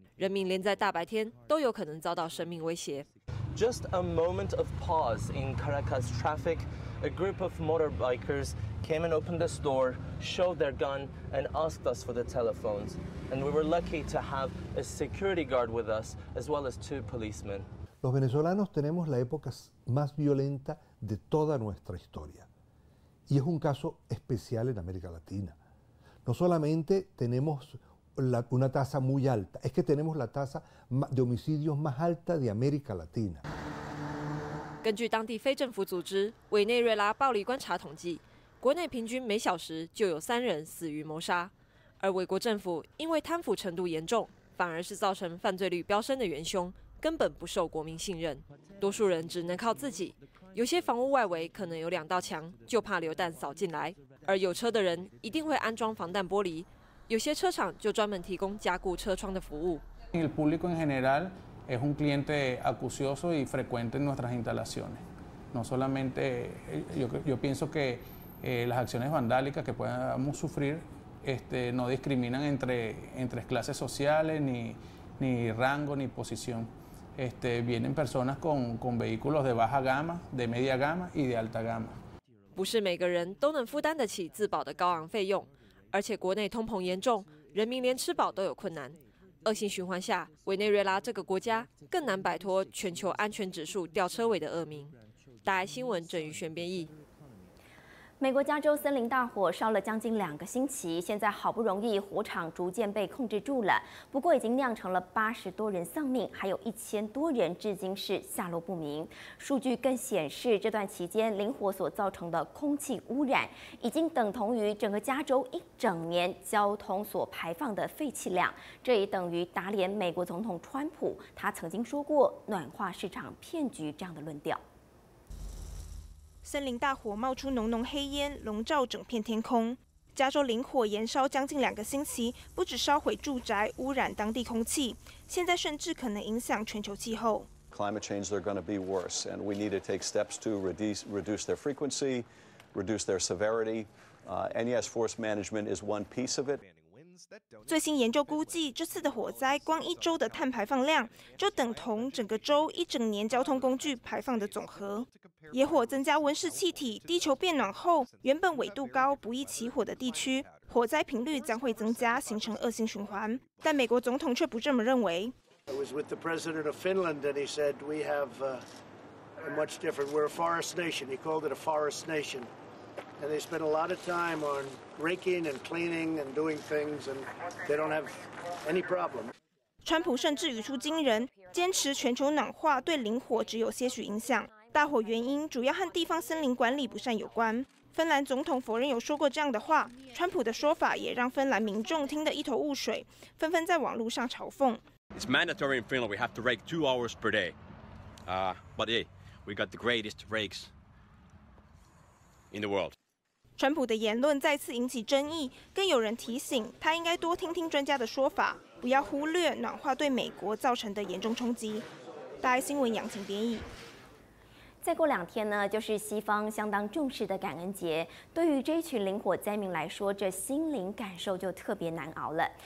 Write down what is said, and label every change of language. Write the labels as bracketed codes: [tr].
[zh] 人民连在大白天都有可能遭到生命威胁。 [en] Just a moment of pause in Caracas traffic, a group of motorbikers came and opened the store, showed their gun, and asked us for the telephones. And we were lucky to have a security guard with us, as well as 2 policemen. [es] Los venezolanos tenemos la época más violenta de toda nuestra historia, y es un caso especial en América Latina. No solamente tenemos una tasa muy alta, es que tenemos la tasa de homicidios más alta de América Latina. [zh] 根据当地非政府组织委内瑞拉暴力观察统计，国内平均每小时就有三人死于谋杀，而美国政府因为贪腐程度严重，反而是造成犯罪率飙升的元凶，根本不受国民信任，多数人只能靠自己，有些房屋外围可能有2道墙，就怕流弹扫进来，而有车的人一定会安装防弹玻璃。有些车厂就专门提供加固车窗的服务。 El público en general es un cliente acucioso y frecuente en nuestras instalaciones. No solamente, yo pienso que las acciones vandálicas que podamos sufrir no discriminan entre clases sociales, ni rango, ni posición. Vienen personas con vehículos de baja gama, de media gama y de alta gama. 不是每个人都能负担得起自保的高昂费用。而且国内通膨严重，人民连吃饱都有困难，恶性循环下，委内瑞拉这个国家更难摆脱全球安全指数吊车尾的恶名。大爱新闻郑宇轩编译。美国加州森林大火烧了将近2个星期，现在好不容易火场逐渐被控制住了，不过已经酿成了80多人丧命，还有1000多人至今是下落不明。数据更显示，这段期间林火所造成的空气污染已经等同于整个加州一整年交通所排放的废气量，这也等于打脸美国总统川普他曾经说过暖化市场骗局这样的论调。森林大火冒出浓浓黑烟，笼罩整片天空。加州林火延烧将近2个星期，不止烧毁住宅，污染当地空气，现在甚至可能影响全球气候。 [en] Climate change, they're going to be worse, and we need to take steps to reduce their frequency, reduce their severity. And yes, forest management is one piece of it. [zh] 最新研究估计，这次的火灾光一周的碳排放量，就等同整个州一整年交通工具排放的总和。野火增加温室气体，地球变暖后，原本纬度高不易起火的地区，火灾频率将会增加，形成恶性循环。但美国总统却不这么认为。 [en] I was with the president of Finland, and he said we have a much different. We're a forest nation. He called it a forest nation, and they spend a lot of time on raking and cleaning and doing things, and they don't have any problem. [zh] 川普甚至语出惊人，坚持全球暖化对林火只有些许影响，大火原因主要和地方森林管理不善有关。芬兰总统否认有说过这样的话，川普的说法也让芬兰民众听得一头雾水，纷纷在网络上嘲讽。 [en] It's mandatory in Finland. We have to rake 2 hours per day. But hey, we got the greatest rakes in the world. [zh] 川普的言论再次引起争议，更有人提醒他应该多听听专家的说法，不要忽略暖化对美国造成的严重冲击。大爱新闻杨晴编译。再过两天呢，就是西方相当重视的感恩节。对于这一群林火灾民来说，这心灵感受就特别难熬了。